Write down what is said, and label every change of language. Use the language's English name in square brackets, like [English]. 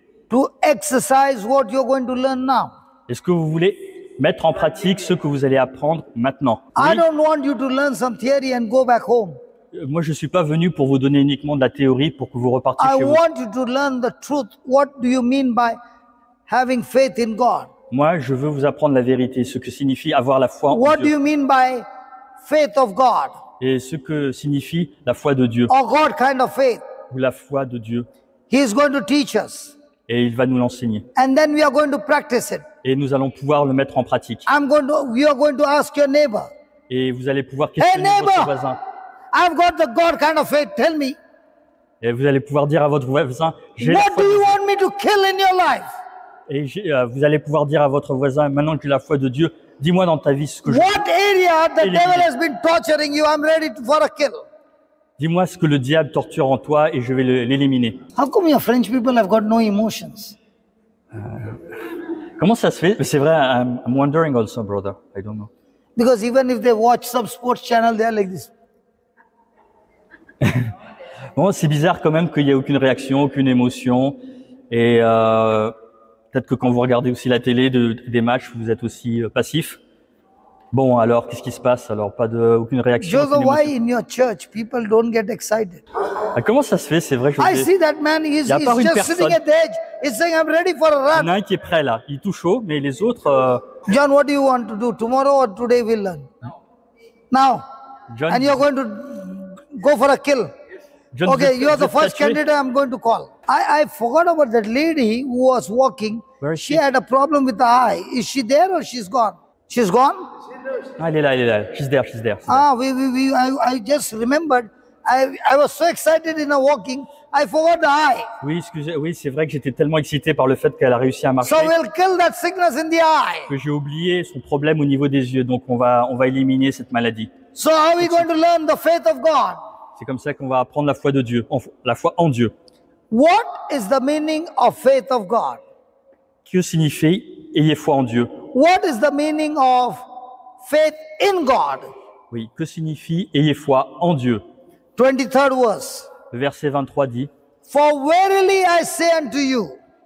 [English] To exercise what you're going to learn now. [French] Est-ce que vous voulez mettre en pratique ce que vous allez apprendre maintenant? [English] Oui? I don't want you to learn some theory and go back home. [French] Moi, je ne suis pas venu pour vous donner uniquement de la théorie pour que vous repartiez chez vous. Moi, je veux vous apprendre la vérité, ce que signifie avoir la foi [English] what [French] en Dieu. [English] Do you mean by faith of God? [French] Et ce que signifie la foi de Dieu. [English] Or God kind of faith. [French] Ou la foi de Dieu. [English] He is going to teach us. [French] Et il va nous l'enseigner. [English] And then we are going to practice it. [French] Et nous allons pouvoir le mettre en pratique. [English] We are going to ask your neighbor. [French] Et vous allez pouvoir questionner votre voisin. [English] I've got the God kind of faith. Tell me. [French] Et vous allez pouvoir dire à votre voisin, j'ai [English] What do you want me to kill in your life? [French] Et vous allez pouvoir dire à votre voisin, maintenant que tu as la foi de Dieu, dis-moi dans ta vie ce que [English] What [French] je [English] area the devil has been torturing you? I'm ready for a kill. [French] Dis-moi ce que le diable torture en toi et je vais l'éliminer. [English] How come your French people have got no emotions? [French] Comment ça se fait? C'est vrai, [English] I'm wondering also, brother. I don't know. Because even if they watch some sports channel, they are like this. [French] Bon, c'est bizarre quand même qu'il n'y ait aucune réaction, aucune émotion. Et peut-être que quand vous regardez aussi la télé des matchs, vous êtes aussi passif. Bon, alors, qu'est-ce qui se passe? Alors, aucune réaction. [English] Joseph, why in your church people don't get excited? [French] Comment ça se fait? C'est vrai, [English] Joseph. I see that man, he's just sitting at the edge. He's saying, I'm ready for a run. [French] Il y en a un qui est prêt là. Il est tout chaud, mais les autres. [English] John, what do you want to do? Tomorrow or today we'll learn? Now. John, and you're going to. Go for a kill. John, okay, you are the first candidate I'm going to call. I forgot about that lady who was walking. Where is she? She had a problem with the eye. Is she there or she's gone? She's gone? She's there. I just remembered. I was so excited in a walking. I forgot the eye. [French] Oui, excusez. Oui, c'est vrai que j'étais tellement excité par le fait qu'elle a réussi à marcher. [English] So we'll kill that sickness in the eye. [French] Que j'ai oublié son problème au niveau des yeux. Donc on va éliminer cette maladie. [English] So how are we going to learn the faith of God? [French] C'est comme ça qu'on va apprendre la foi de Dieu, la foi en Dieu. [English] What is the meaning of faith of God? [French] Que signifie ayez foi en Dieu? [English] What is the meaning of faith in God? [French] Oui, que signifie ayez foi en Dieu? [English] 23rd verse. [French] Le verset 23 dit. [English] For verily I say unto you.